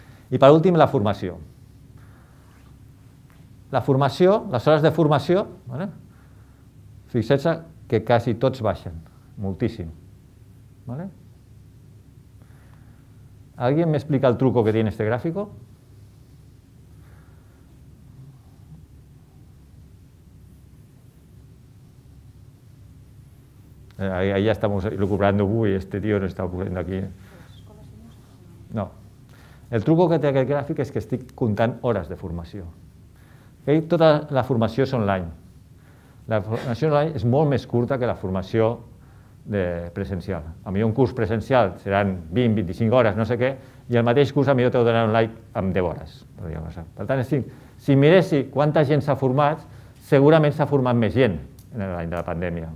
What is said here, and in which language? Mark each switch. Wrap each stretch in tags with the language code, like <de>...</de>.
<ca>I per últim, la formació. La formació, les hores de formació, ¿vale? Fixeu-se que quasi tots baixen, moltíssim.</ca> <es>¿Vale? ¿Alguien me explica el truco que tiene este gráfico? Ahí ya estamos lucubrando, uy, este tío no está ocurriendo aquí. No. El truco que tiene aquel gráfico es que estoy contando horas de formación. ¿Okay? Toda la formación es online. La formación online es mucho más corta que la formación de presencial.</es> <ca>A mi un curs presencial seran 20, 25 hores, no sé què, i el mateix curs a mi jo t'ho donaré online amb 10 hores. Per tant, si miressi quanta gent s'ha format, segurament s'ha format més gent en l'any de la pandèmia.</ca>